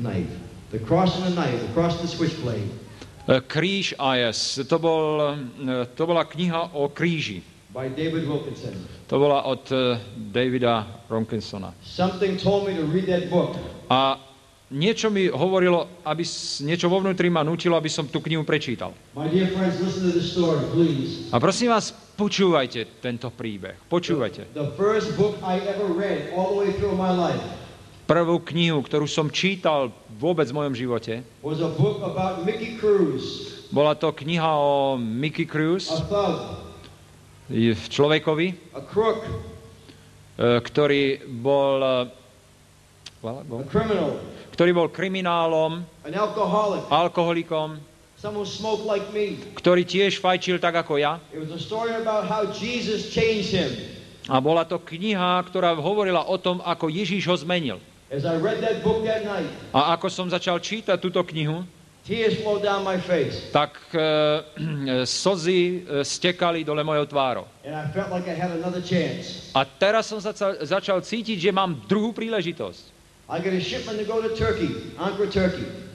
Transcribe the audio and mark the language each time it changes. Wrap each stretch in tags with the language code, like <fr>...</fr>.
<en>knife, the cross and the knife, the cross and the switchblade.</en> <sk>Kríž a jas. To bola kniha o kríži.</sk> <en>By David Wilkinson.</en> <sk>To bola od Davida Wilkinsona.</sk> <en>Something told me to read that book.</en> <sk>A niečo mi hovorilo, aby niečo vo vnútri ma nútilo, aby som tú knihu prečítal.</sk> <en>My dear friends, listen to this story, please.</en> <sk>A prosím vás, počúvajte tento príbeh. Počúvajte.</sk> <en>The first book I ever read all the way through my life.</en> <sk>Prvú knihu, ktorú som čítal vôbec v mojom živote,</sk> <en>was a book about Mickey Cruz.</en> <sk>Bola to kniha o Mickey Cruz,</sk> <en>a thug.</en> <sk>Človekovi,</sk> <en>a crook.</en> <sk>Ktorý bol,</sk> <en>a criminal.</en> <sk>Ktorý bol kriminálom,</sk> <en>an alcoholic.</en> <sk>Alkoholikom,</sk> <en>someone who smoked like me.</en> <sk>Ktorý tiež fajčil tak ako ja.</sk> <en>It was a story about how Jesus changed him.</en> <sk>A bola to kniha, ktorá hovorila o tom, ako Ježíš ho zmenil.</sk> <en>As I read that book that night,</en> <sk>a ako som začal čítať túto knihu,</sk> <en>tears flowed down my face.</en> <sk>Tak slzy stekali dole mojou tvárou.</sk> <en>And I felt like I had another chance.</en> <sk>A teraz som začal cítiť, že mám druhú príležitosť.</sk> <en>I got a shipment to go to Turkey, Ankara, Turkey.</en>